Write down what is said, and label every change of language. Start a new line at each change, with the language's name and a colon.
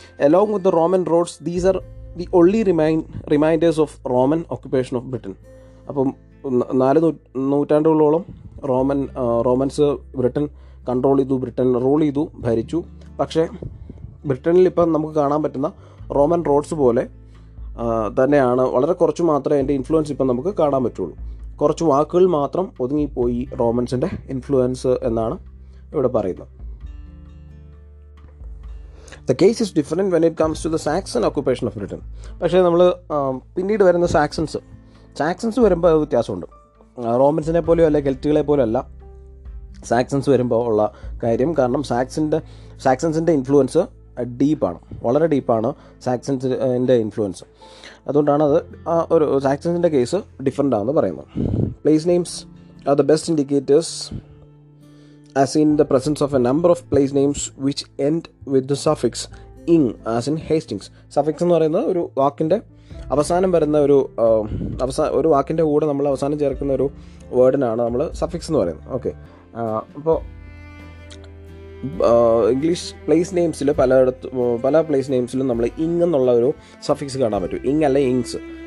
English: Along with the Roman roads, these are the only reminders of Roman occupation of Britain.
Malayalam: അപ്പം നാല് നൂറ്റാണ്ടുകളോളം romance Britain control ചെയ്തു, Britain rule ചെയ്തു, ഭരിച്ചു. പക്ഷേ ബ്രിട്ടനിൽ ഇപ്പം നമുക്ക് കാണാൻ പറ്റുന്ന റോമൻ റോഡ്സ് പോലെ തന്നെയാണ്, വളരെ കുറച്ച് മാത്രമേ അതിൻ്റെ ഇൻഫ്ലുവൻസ് ഇപ്പം നമുക്ക് കാണാൻ പറ്റുള്ളൂ. കുറച്ച് വാക്കുകൾ മാത്രം ഒതുങ്ങിപ്പോയി റോമൻസിൻ്റെ ഇൻഫ്ലുവൻസ് എന്നാണ് ഇവിടെ പറയുന്നത്.
English: The case is different when it comes to the Saxon occupation of Britain.
Malayalam: പക്ഷേ നമ്മൾ പിന്നീട് വരുന്ന സാക്സൺസ് വരുമ്പോൾ അത് വ്യത്യാസമുണ്ട്. റോമൻസിനെ പോലെയോ അല്ലെങ്കിൽ കെൽറ്റുകളെ പോലെയോ അല്ല സാക്സൺസ് വരുമ്പോൾ ഉള്ള കാര്യം. കാരണം സാക്സൺസിൻ്റെ ഇൻഫ്ലുവൻസ് ഡീപ്പാണ്, വളരെ ഡീപ്പാണ് സാക്സൺസിൻ്റെ ഇൻഫ്ലുവൻസ്. അതുകൊണ്ടാണ് അത് ആ ഒരു സാക്സൺസിൻ്റെ കേസ് ഡിഫറെൻ്റ് ആണെന്ന് പറയുന്നത്.
English: Place names are the best indicators as in the presence of a number of place names which end with the suffix ing, as in Hastings.
Malayalam: Suffix എന്ന് പറയുന്നത് ഒരു വാക്കിൻ്റെ അവസാനം വരുന്ന ഒരു അവസാന ഒരു വാക്കിൻ്റെ കൂടെ നമ്മൾ അവസാനം ചേർക്കുന്ന ഒരു വേർഡിനാണ് നമ്മൾ സഫിക്സ് എന്ന് പറയുന്നത്. ഓക്കെ, അപ്പോൾ ഇംഗ്ലീഷ് പ്ലേസ് നെയിംസിൽ പല പ്ലേസ് നെയിംസിലും നമ്മൾ ഇങ് എന്നുള്ള ഒരു സഫിക്സ് കാണാൻ പറ്റും. ഇങ് അല്ല ഇങ്സ്.